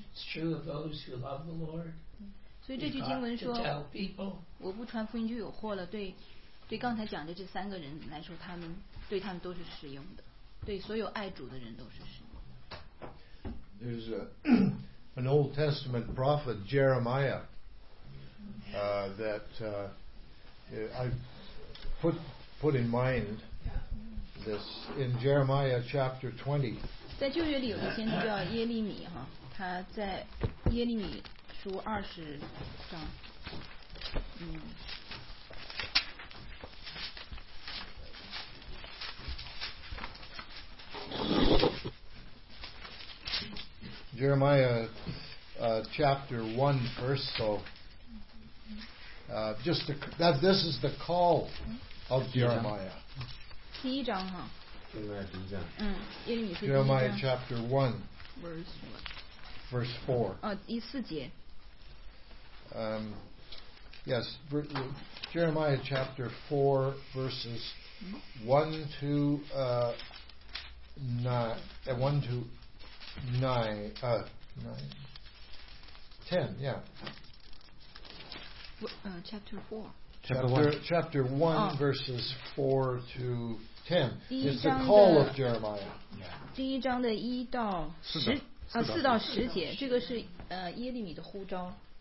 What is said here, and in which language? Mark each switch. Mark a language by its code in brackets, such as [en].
[en] It's true of those who love the Lord. [zh] 所以这句经文说，我不传福音就有祸了。对刚才讲的这三个人来说，他们都是实用的，对所有爱主的人都是实用的。 [en] There's an Old Testament prophet Jeremiah that I put in mind this in Jeremiah chapter 20。 [zh] 在旧约里有一个先知叫耶利米哈，他在耶利米。书二十章，嗯。 [en] Jeremiah, chapter one, verse. So, just to, that this is the call of Jeremiah. [zh] 第一章哈。 [en] Jeremiah chapter one, verse four. [zh] 第四节。 [en] Yes, Jeremiah chapter 4 verses 1 to 9, 10, yeah. Chapter 4. Chapter 1 verses 4 to 10 is the call of Jeremiah. [zh] 第一章的四到十节，这个是耶利米的呼召。